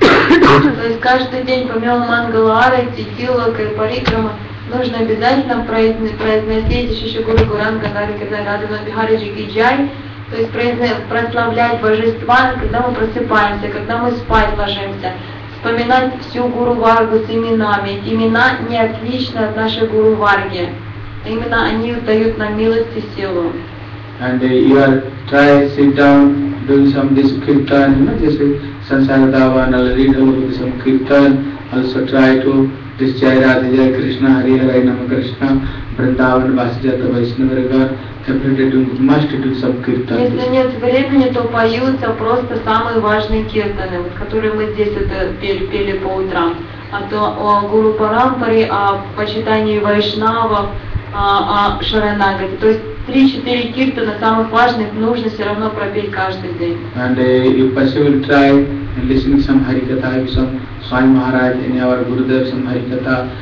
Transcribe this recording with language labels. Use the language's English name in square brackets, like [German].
[Russian] То есть каждый день, помимо мангала арати, тилак и парикрама, нужно обязательно произносить еще Гуру Гуранга Дарвика Бихари Джиги Джай, то есть прославлять Божества, когда мы просыпаемся, когда мы спать ложимся, вспоминать всю Гуру Варгу с именами. Имена не отличны от нашей Гуру Варги. Именно они дают нам милость и силу. [English] And you are try sit down doing some this kirtan, you know, this sansara davana, read some kirtan, also try to this jai radhe jai krishna hari hari nama krishna vrindavan vasijata vaishnavarga, every day must do some kirtan. [Russian] Если нет времени, то поются просто самые важные киртаны, которые мы здесь это пели по утрам. А то о гуру парампаре, о почитании вайшнава, о шаранагати. То есть 3-4 киртана самых важных нужно все равно пропеть каждый день. [English] And you possibly try listening some harikatha, some Swami Maharaj, any our Gurudev, some harikatha.